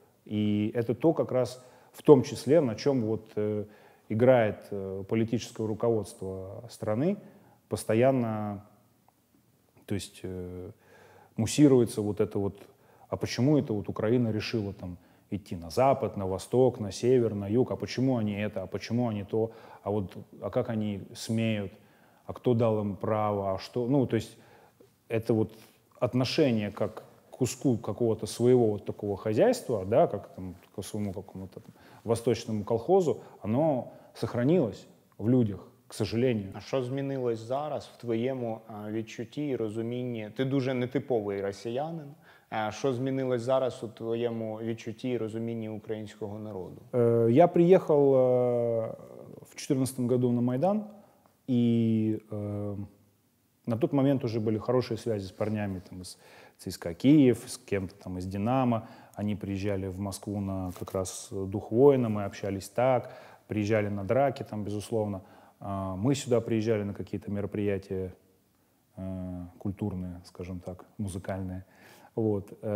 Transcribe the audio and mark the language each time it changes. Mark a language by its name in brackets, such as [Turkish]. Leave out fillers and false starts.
[Russian] И это то, как раз в том числе, на чем вот играет политическое руководство страны, постоянно, то есть муссируется вот это вот, а почему это вот Украина решила там идти на запад, на восток, на север, на юг, а почему они это, а почему они то, а вот, а как они смеют, а кто дал им право, а что, ну, то есть это вот отношение как куску какого-то своего вот такого хозяйства, да, как там к своему какому-то там, восточному колхозу, оно сохранилось в людях, к сожалению. [Ukrainian] А що змінилось зараз в твоєму відчутті і розумінні? Ти дуже нетиповий росіянин. А що змінилось зараз у твоєму відчутті і розумінні українського народу? Я приїхав в 14-му році на Майдан, і на той момент уже були хороші зв'язки з парнями там з ЦСКА Киев, [Russian] с кем-то там из «Динамо». Они приезжали в Москву на как раз «Дух воина», мы общались так. Приезжали на драки там, безусловно. Мы сюда приезжали на какие-то мероприятия культурные, скажем так, музыкальные. Вот.